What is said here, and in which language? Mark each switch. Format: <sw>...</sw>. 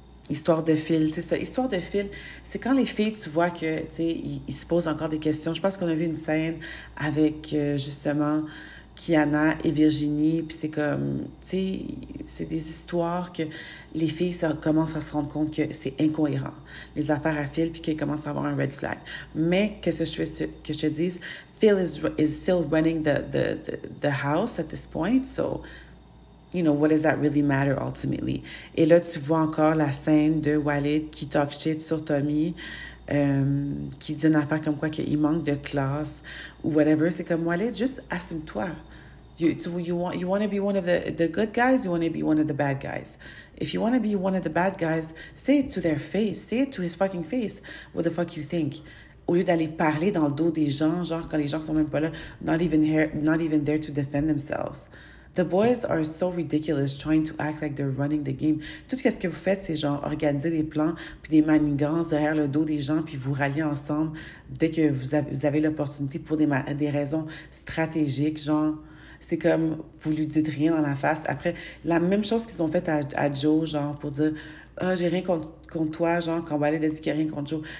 <fr>Histoire de Phil, c'est ça. Histoire de Phil, c'est quand les filles, tu vois que, tu sais, ils se posent encore des questions. Je pense qu'on a vu une scène avec, justement, Kiana et Virginie. Puis c'est comme, tu sais, c'est des histoires que les filles commencent à se rendre compte que c'est incohérent, les affaires à Phil, puis qu'elles commencent à avoir un red flag. Mais qu'est-ce que je te dis?</fr> <en>Phil is still running the house at this point, so... You know, what does that really matter, ultimately?</en> <fr>Et là, tu vois encore la scène de Walid qui talk shit sur Tommy, qui dit une affaire comme quoi qu'il manque de classe ou whatever. C'est comme, Walid, juste assume-toi.</fr> <en>You want to be one of the good guys, you want to be one of the bad guys. If you want to be one of the bad guys, say it to their face. Say it to his fucking face. What the fuck you think?</en> <fr>au lieu d'aller parler dans le dos des gens, genre quand les gens sont même pas là,</fr> <en>not even there to defend themselves. The boys are so ridiculous trying to act like they're running the game.</en> <fr>Tout ce que vous faites, c'est genre organiser des plans puis des manigances derrière le dos des gens puis vous rallier ensemble dès que vous avez l'opportunité pour des raisons stratégiques, genre. C'est comme, vous lui dites rien dans la face. Après, la même chose qu'ils ont fait à Joe, genre, pour dire, ah, oh, j'ai rien contre toi, genre, quand Wallet a dit qu'il n'y a rien contre Joe.</fr>